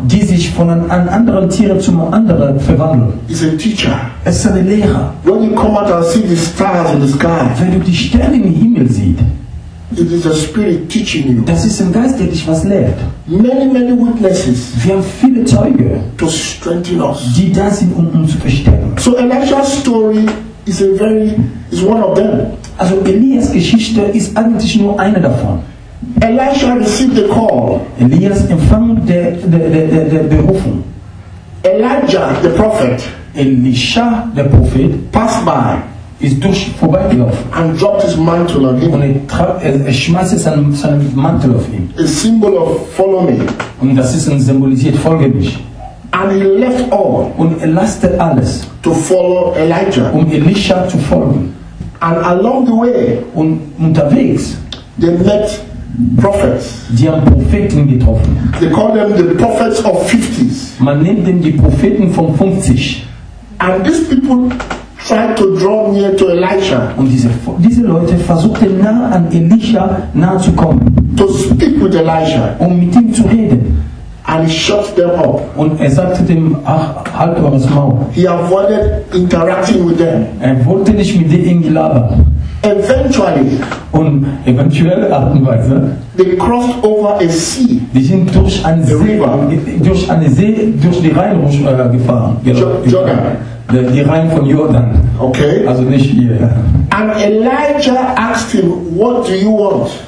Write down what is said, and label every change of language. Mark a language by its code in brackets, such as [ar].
[de] Die sich von einem anderen Tier zum anderen verwandelt. [en] Is a teacher. [de] Es ist eine Lehrer. [en] When you come out and see the stars in the sky. [de] Wenn du die Sterne im Himmel siehst. [en] It is a spirit teaching you. [de] Das ist ein Geist, der dich was lehrt. [en] Many, many witnesses. [de] Wir haben viele Zeuge. [en] To strengthen us. [de] Die da sind, um uns zu verstärken. [en] So Elijah's story is a very is one of them. [de] Also Elias Geschichte ist eigentlich nur eine davon. [en] Elisha received the call. [de] Elias empfing der Berufung. [en] Elijah the prophet. [de] Elisha der Prophet [en] passed by. [de] Ist durch vorbeigelaufen. [en] And dropped his mantle on him. [de] Und er schmeißt seinen Mantel auf ihn. [en] A symbol of follow me. [de] Und das ist ein symbolisiert folge mich. [en] And he left all. [de] Und er lasste alles. [en] To follow Elijah. [de] Um Elisha zu folgen. [en] And along the way, [de] und unterwegs, [en] they met prophets. [de] Die haben Propheten getroffen. [en] They call them the prophets of 50s. [de] Man nennt den die Propheten von 50. [en] And these people tried to draw near to Elijah. [de] Und diese Leute versuchten nah an Elisha nahe zu kommen. [en] To speak with Elijah. [de] Um mit ihm zu reden. [en] And he shut them up. [de] Und er sagte dem, ach, halt eures Maul. [en] He avoided interacting with them. [de] Er wollte nicht mit denen labern. [en] Eventually. [de] Und eventuell Art und Weise. [en] They crossed over a sea. [de] Die sind durch einen See, durch die Rhein gefahren. [en] Jordan. [de] Die Rhein von Jordan. [en] Okay. [de] Also nicht hier. [en] And Elijah asked him, what do you want?